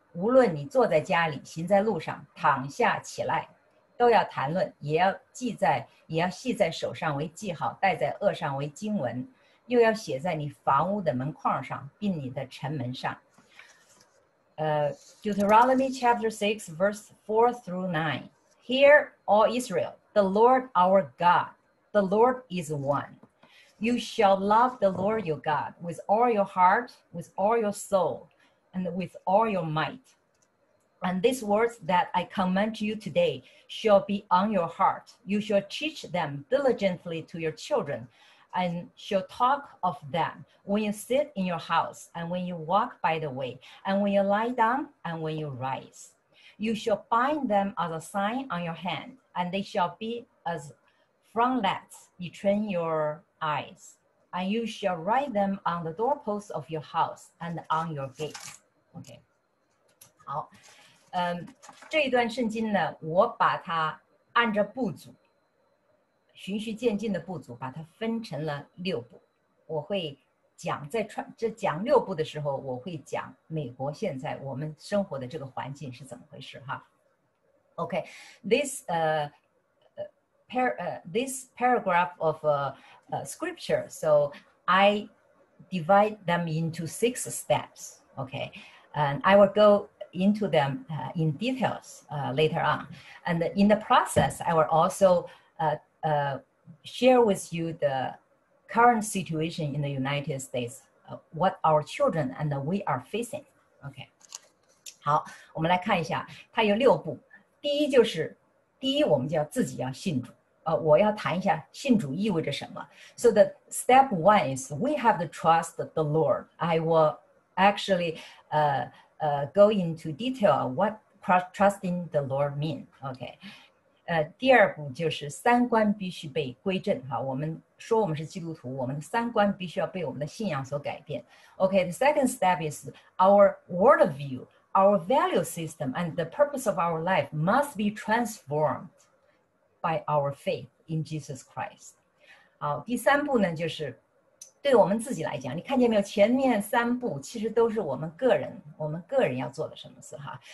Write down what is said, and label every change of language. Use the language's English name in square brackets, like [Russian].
[Chinese] 无论你坐在家里、行在路上、躺下起来，都要谈论，也要系在手上为记号，戴在额上为经文，又要写在你房屋的门框上，并你的城门上。 [English] Deuteronomy chapter 6, verse 4 through 9. Hear, all Israel, the Lord our God, the Lord is one. You shall love the Lord your God with all your heart, with all your soul, and with all your might. And these words that I command you today shall be on your heart. You shall teach them diligently to your children and shall talk of them when you sit in your house and when you walk by the way and when you lie down and when you rise. You shall bind them as a sign on your hand, and they shall be as frontlets between your eyes. And you shall write them on the doorposts of your house and on your gates. Okay. [Chinese] 好，这一段圣经呢，我把它按着步骤，循序渐进的步骤，把它分成了六步。我会讲在穿这讲六步的时候，我会讲美国现在我们生活的这个环境是怎么回事哈。 [English] Okay, this paragraph of scripture. So I divide them into 6 steps. Okay, and I will go into them in details later on. And in the process, I will also share with you the. Current situation in the United States, what our children and we are facing. Okay. [Chinese] 好，我们来看一下，它有六步。第一就是，第一我们就要自己要信主。我要谈一下信主意味着什么。 [English] So the step one is we have to trust the Lord. I will actually go into detail what trusting the Lord mean. Okay. [Chinese] 第二步就是三观必须被归正哈。我们说我们是基督徒，我们的三观必须要被我们的信仰所改变。 [English] Okay, the second step is our worldview our value system and the purpose of our life must be transformed by our faith in Jesus Christ. [Chinese] 好，第三步呢，就是对我们自己来讲，你看见没有？前面三步其实都是我们个人要做的什么事哈。